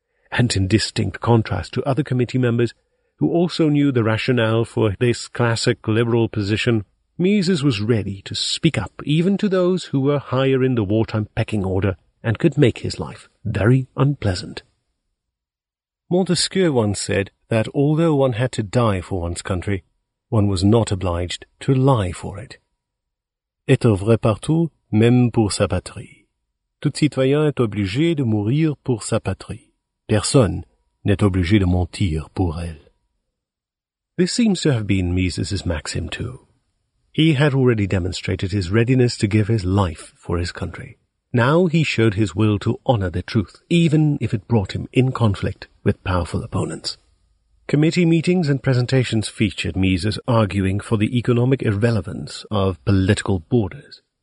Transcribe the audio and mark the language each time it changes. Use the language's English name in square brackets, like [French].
[English] And in distinct contrast to other committee members, who also knew the rationale for this classic liberal position, Mises was ready to speak up even to those who were higher in the wartime pecking order and could make his life very unpleasant. Montesquieu once said that although one had to die for one's country, one was not obliged to lie for it. [French] Et œuvrer partout, même pour sa patrie. Tout citoyen est obligé de mourir pour sa patrie. Personne n'est obligé de mentir pour elle. [English] This seems to have been Mises's maxim too. He had already demonstrated his readiness to give his life for his country. Now he showed his will to honor the truth, even if it brought him in conflict with powerful opponents. Committee meetings and presentations featured Mises arguing for the economic irrelevance of political borders.